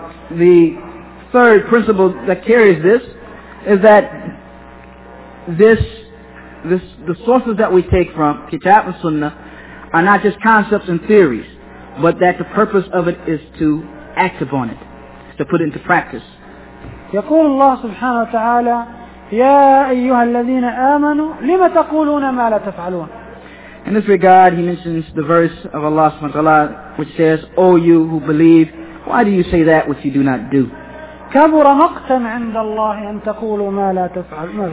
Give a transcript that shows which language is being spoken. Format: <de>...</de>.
<en>The third principle that carries this is that this the sources that we take from kitab and sunnah are not just concepts and theories, but that the purpose of it is to act upon it, to put it into practice.</en> <ar>يقول الله سبحانه وتعالى يا أيها الذين آمنوا لما تقولون ما لا تفعلون.</ar> <en>In this regard, he mentions the verse of Allah</en> <ar>سبحانه وتعالى,</ar> <en>which says, O you who believe, why do you say that which you do not do?</en> <ar>كبر مقتا عند الله أن تقولوا ما لا تفعلون.</ar>